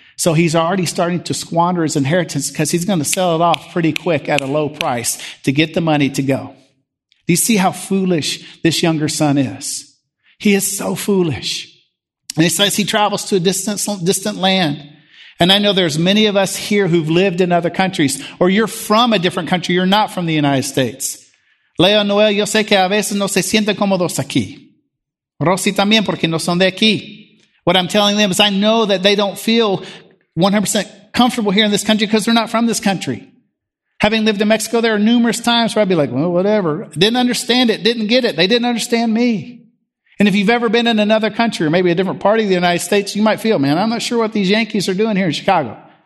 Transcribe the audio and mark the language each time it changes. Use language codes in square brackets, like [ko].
[en] So he's already starting to squander his inheritance because he's going to sell it off pretty quick at a low price to get the money to go. Do you see how foolish this younger son is? He is so foolish. And it says he travels to a distant land. And I know there's many of us here who've lived in other countries, or you're from a different country. You're not from the United States. [es] Leo Noel, yo sé que a veces no se sienten cómodos aquí. Rosy también, porque no son de aquí. [en] What I'm telling them is I know that they don't feel 100% comfortable here in this country because they're not from this country. Having lived in Mexico, there are numerous times where I'd be like, well, whatever. Didn't understand it. Didn't get it. They didn't understand me. And if you've ever been in another country or maybe a different part of the United States, you might feel, man, I'm not sure what these Yankees are doing here in Chicago.